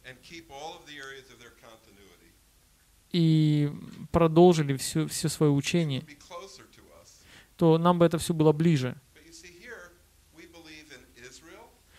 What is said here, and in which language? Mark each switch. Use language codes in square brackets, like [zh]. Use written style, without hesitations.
[en] and keep all of the areas of their continuity, [ru] и продолжили все свое учение, [en] it would be closer to us. [ru] То нам бы это все было ближе. [en] But you see, here we believe in Israel.